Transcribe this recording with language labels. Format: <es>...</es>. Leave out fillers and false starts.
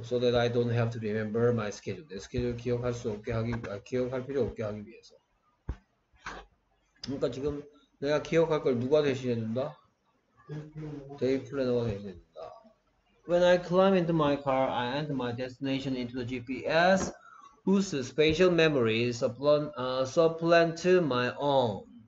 <en>So that I don't have to remember my schedule.</en> <ko>내 스케줄 기억할 수 없게 하기, 기억할 필요 없게 하기 위해서. 그러니까 지금 내가 기억할 걸 누가 대신해준다? 데이 플래너가 대신해준다.</ko> <en>When I climb into my car, I enter my destination into the GPS, whose spatial memory supplant to my own.</en>